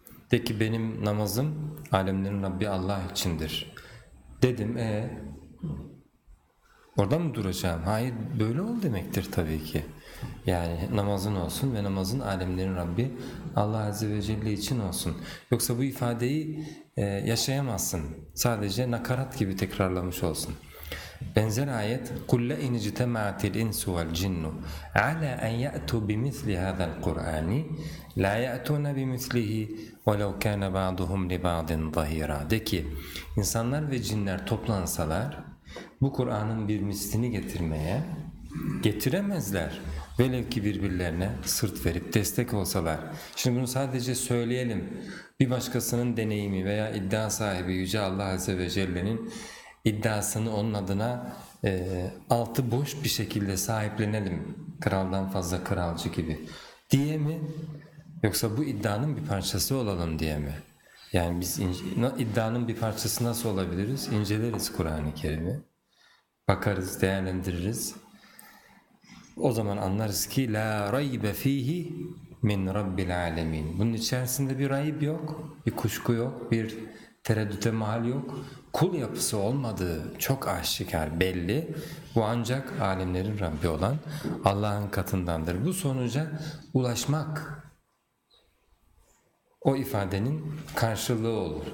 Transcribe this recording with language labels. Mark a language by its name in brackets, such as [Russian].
[Turkish] De ki benim namazım alemlerin Rabbi Allah içindir dedim orada mı duracağım? Hayır, böyle ol demektir tabii ki. Yani namazın olsun ve namazın alemlerin Rabbi Allah Azze ve Celle için olsun. Yoksa bu ifadeyi yaşayamazsın. Sadece nakarat gibi tekrarlamış olsun. [Arabic] Benzer ayet قُلْ لَاِنْ جِتَمَعَتِ الْاِنْسُ وَالْجِنُّ عَلَى اَنْ يَأْتُوا بِمِثْلِ هَذَا الْقُرْآنِ لَا يَأْتُونَ بِمِثْلِهِ وَلَوْ كَانَ بَعْضُهُمْ لِبَعْضٍ ظَهِيرًا. [Turkish] De ki, insanlar ve cinler toplansalar bu Kur'an'ın bir mislini getirmeye getiremezler. Velev ki birbirlerine sırt verip destek olsalar. Şimdi bunu sadece söyleyelim, bir başkasının deneyimi veya iddia sahibi Yüce Allah Azze ve Celle'nin iddiasını onun adına altı boş bir şekilde sahiplenelim, kraldan fazla kralcı gibi diye mi, yoksa bu iddianın bir parçası olalım diye mi? Yani biz iddianın bir parçası nasıl olabiliriz? İnceleriz Kur'an-ı Kerim'i, bakarız, değerlendiririz. O zaman anlarız ki [Arabic] لَا رَيْبَ ف۪يهِ مِنْ رَبِّ الْعَالَمِينَ. [Turkish] Bunun içerisinde bir rayb yok, bir kuşku yok, bir tereddüte mahal yok. Kul yapısı olmadığı çok aşikar, belli. Bu ancak âlemlerin Rabbi olan Allah'ın katındandır. Bu sonuca ulaşmak o ifadenin karşılığı olur.